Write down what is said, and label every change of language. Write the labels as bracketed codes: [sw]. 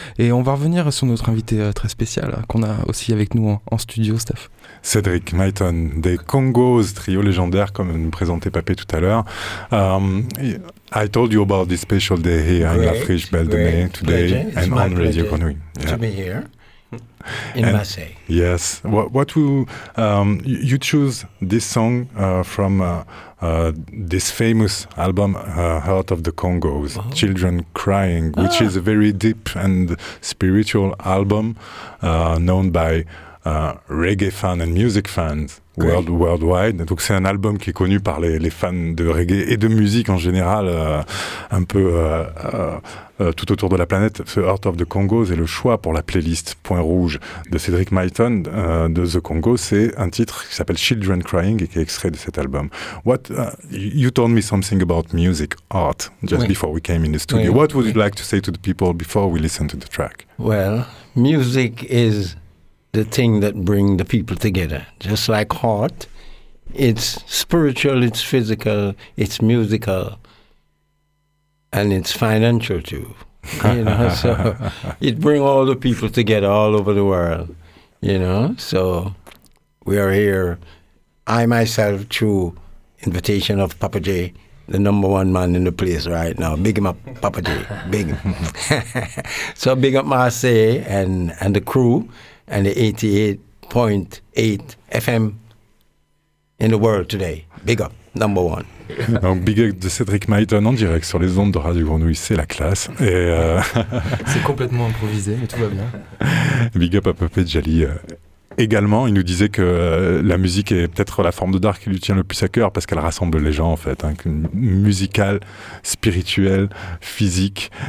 [fr] Et on va revenir sur notre invité très spécial qu'on a aussi avec nous en studio, Steph. Cédric Myton, des Congos, trio légendaire, comme nous présentait Papé tout à l'heure. [en] I told you about this special day here great, in La Friche Belle de Mai today and on Radio Grenouille. To be here in and Marseille. Yes. What you, you choose this song from this famous album, Heart of the Congos, wow. Children Crying, which is a very deep and spiritual album known by reggae fans and music fans. Worldwide. [fr] Donc c'est un album qui est connu par les fans de reggae et de musique en général, tout autour de la planète. The Heart of the Congos est le choix pour la playlist Point Rouge de Cédric Myton de The Congo. C'est un titre qui s'appelle Children Crying et qui est extrait de cet album. [en] What you told me something about music art just before we came in the studio. What would you like to say to the people before we listen to the track? Well, music is the thing that bring the people together. Just like heart, it's spiritual, it's physical, it's musical, and it's financial too. You know, so it bring all the people together all over the world, you know? So we are here. I myself, through invitation of Papa J, the number one man in the place right now. Big him up, Papa J, big him. So big up Marseille and the crew, and the 88.8 FM in the world today. Big up, number one. [fr] Donc, big up de Cédric Myton en direct sur les ondes de Radio Grenouille, c'est la classe. Et c'est complètement improvisé, mais tout va bien. Big up à Pepe Djali. Également, il nous disait que la musique est peut-être la forme de d'art qui lui tient le plus à cœur parce qu'elle rassemble les gens en fait, hein, musicale, spirituelle, physique.